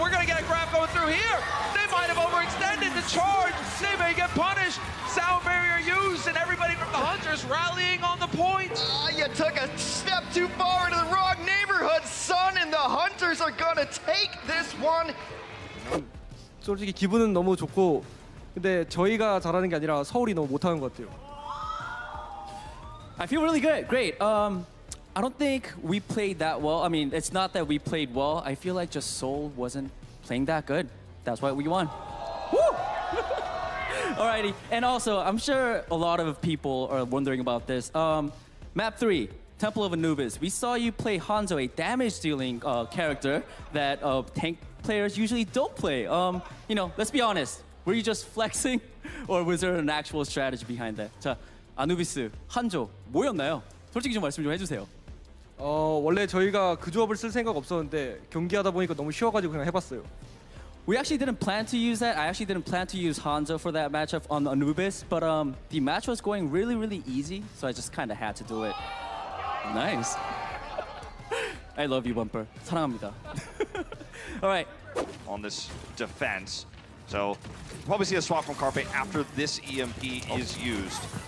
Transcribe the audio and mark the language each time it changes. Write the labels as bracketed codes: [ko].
[en] We're going to get a grab going through here. They might have overextended the charge. They may get punished. Sound barrier used, and everybody from the Hunters rallying on the point. You took a step too far into the wrong neighborhood, son, and the Hunters are going to take this one. [ko] 솔직히 기분은 너무 좋고, 근데 저희가 잘하는 게 아니라 서울이 너무 못하는 것 같아요. [en] I feel really good. Great. I don't think we played that well. I mean, it's not that we played well. I feel like just Seoul wasn't playing that good. That's why we won. Woo! Alrighty. And also, I'm sure a lot of people are wondering about this. Map 3, Temple of Anubis. We saw you play Hanzo, a damage-dealing character that tank players usually don't play. You know, let's be honest. Were you just flexing? Or was there an actual strategy behind that? [ko] Anubis, Hanzo, 뭐였나요? 솔직히 좀 말씀 좀 해주세요. 원래 저희가 그 조합을 쓸 생각 없었는데 경기하다 보니까 너무 쉬워가지고 그냥 해봤어요. [en] We actually didn't plan to use that. I actually didn't plan to use Hanzo for that matchup on Anubis, but the match was going really, really easy, so I just kind of had to do it. Nice. I love you, Bumper. [ko] 사랑합니다. [en] All right. On this defense, so probably see a swap from Carpe after this EMP is used.